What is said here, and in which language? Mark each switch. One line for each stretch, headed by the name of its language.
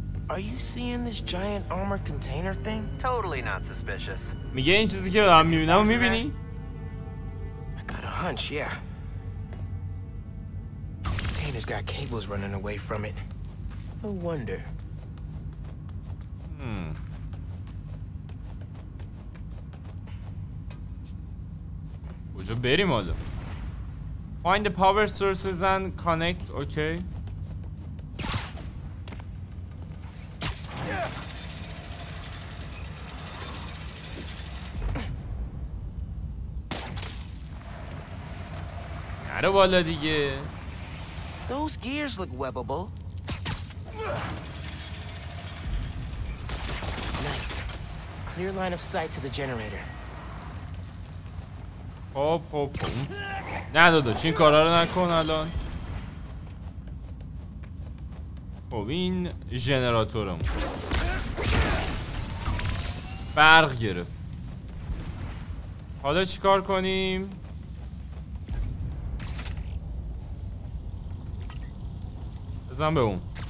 English: Are you seeing this giant armored container thing? Totally not suspicious.
Persian: میگه این چیزی که دارم میبینم میبینی؟
English: Hunch, yeah. Container's got cables running away from it. No wonder. Where should we go, Olaf? Find the power sources and connect. Okay.
Persian: نره والا دیگه.
English: Those gears look webable. Nice. Clear line of sight to the generator.
Persian: خب خب نه داداش این کارا رو نکن الان. خب این جنراتورم برق گرفت، حالا چیکار کنیم؟ بزن به اون.